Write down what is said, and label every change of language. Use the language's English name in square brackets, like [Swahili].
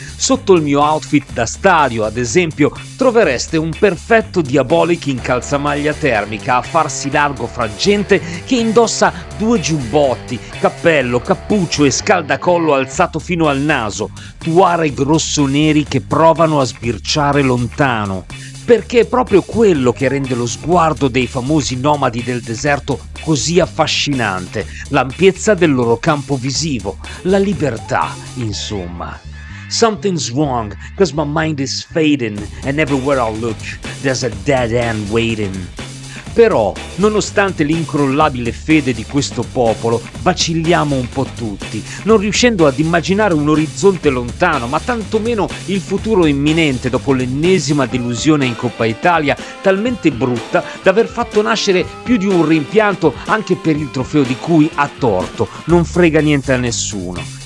[Italian] Sotto il mio outfit da stadio, ad esempio, trovereste un perfetto Diabolic in calzamaglia termica a farsi largo fra gente che indossa due giubbotti, cappello, cappuccio e scaldacollo alzato fino al naso, tuareg rossoneri che provano a sbirciare lontano. Perché è proprio quello che rende lo sguardo dei famosi nomadi del deserto così affascinante, l'ampiezza del loro campo visivo, la libertà, insomma. [English] Something's wrong, 'cause my mind is fading, and everywhere I look, there's a dead end waiting. [Italian] Però, nonostante l'incrollabile fede di questo popolo, vacilliamo un po' tutti, non riuscendo ad immaginare un orizzonte lontano, ma tantomeno il futuro imminente dopo l'ennesima delusione in Coppa Italia, talmente brutta da aver fatto nascere più di un rimpianto anche per il trofeo di cui, a torto, non frega niente a nessuno.